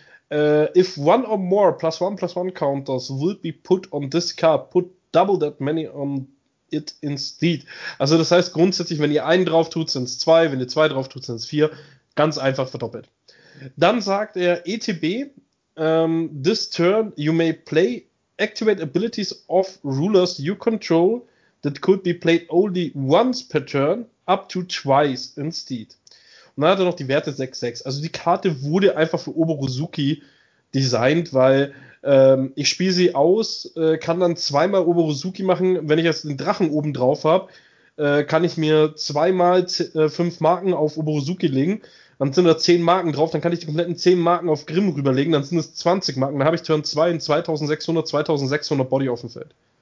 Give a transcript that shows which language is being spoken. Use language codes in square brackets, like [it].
[en] If one or more +1/+1 counters will be put on this card, put double that many on it instead. [de] Also das heißt grundsätzlich, wenn ihr einen drauf tut, sind es 2, wenn ihr 2 drauf tut, sind es 4. Ganz einfach verdoppelt. [en] Dann sagt er ETB, this turn you may play activate abilities of rulers you control that could be played only once per turn up to twice instead. [de] Und dann hat er noch die Werte 6-6. Also die Karte wurde einfach für Oborozuki designt, weil ich spiele sie aus, kann dann zweimal Oborozuki machen. Wenn ich jetzt den Drachen oben drauf habe, kann ich mir zweimal 5 Marken auf Oborozuki legen. Dann sind da 10 Marken drauf, dann kann ich die kompletten 10 Marken auf Grimm rüberlegen, dann sind es 20 Marken, dann habe ich Turn 2 in 2600 Body auf dem Feld.